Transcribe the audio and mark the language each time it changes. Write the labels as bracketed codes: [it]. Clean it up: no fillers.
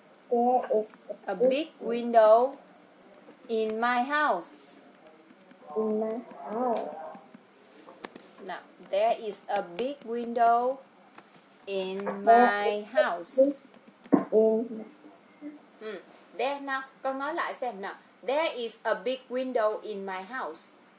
[en] There is a big window in my house. In my house. Now, there is a big window in my house. There now, [vi] con nói lại xem nào. [en] There is a big window in my house.